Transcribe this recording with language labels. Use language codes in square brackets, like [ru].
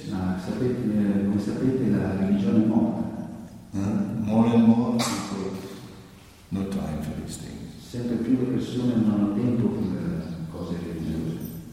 [it] Ma sapete, come sapete, la religione è morta. [en] More and more people no time for these things. [it] Sempre più le persone non hanno tempo per le cose religiose.